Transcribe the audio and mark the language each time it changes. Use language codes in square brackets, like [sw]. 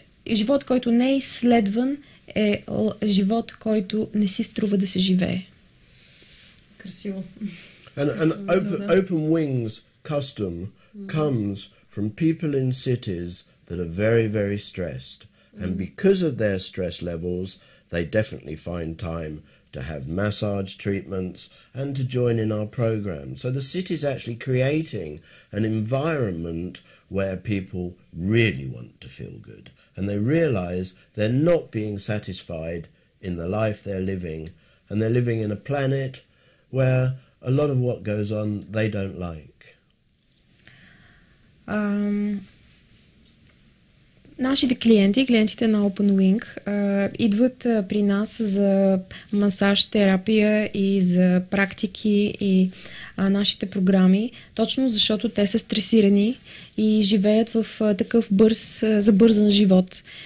[bg] Живот, който не е изследван, е живот, който не си струва да се живее. Красиво. [en] And open wings custom comes from people in cities that are very, very stressed. And because of their stress levels, they definitely find time to have massage treatments and to join in our program. So the city is actually creating an environment where people really want to feel good. And they realize they're not being satisfied in the life they're living. And they're living in a planet where a lot of what goes on they don't like. [bg] Нашите клиенти, клиентите на Open Wing, идват при нас за масаж, терапия и за практики и нашите програми, точно защото те са стресирани и живеят в такъв бърз, забързан живот.